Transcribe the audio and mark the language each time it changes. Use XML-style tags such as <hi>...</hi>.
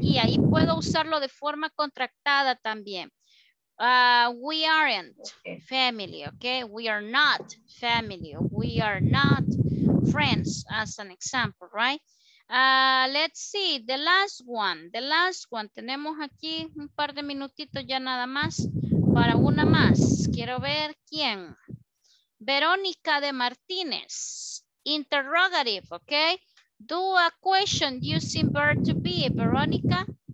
<es>Y ahí puedo usarlo de forma contractada también.</es> <en>We aren't family, okay? We are not family, we are not friends, as an example, right? Let's see, the last one.</en> <es>Tenemos aquí un par de minutitos ya nada más para una más. Quiero ver quién. Verónica de Martínez.</es> <en>Interrogative, okay? Do a question using verb to be, Verónica.</en>